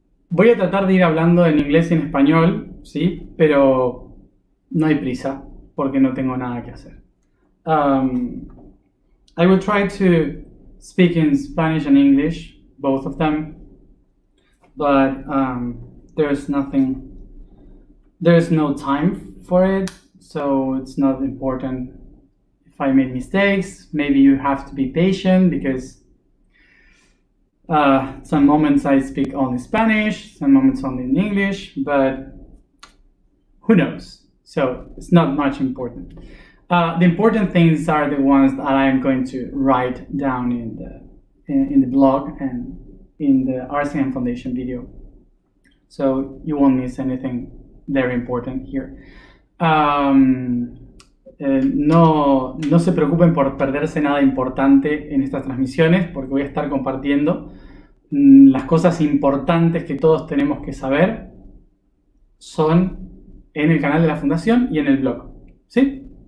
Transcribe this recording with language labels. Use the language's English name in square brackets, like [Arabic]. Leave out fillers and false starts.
[Spanish] Voy a tratar de ir hablando en inglés y en español, sí, pero no hay prisa porque no tengo nada que hacer. [English] I will try to speak in Spanish and English, both of them, but there's no time for it, so it's not important if I made mistakes. Maybe you have to be patient because some moments I speak only Spanish, some moments only in English, but who knows? So it's not much important. The important things are the ones that I am going to write down in the blog and in the RCM Foundation video. So you won't miss anything very important here. [Spanish] No se preocupen por perderse nada importante en estas transmisiones porque voy a estar compartiendo las cosas importantes que todos tenemos que saber son en el canal de la fundación y en el blog, ¿sí?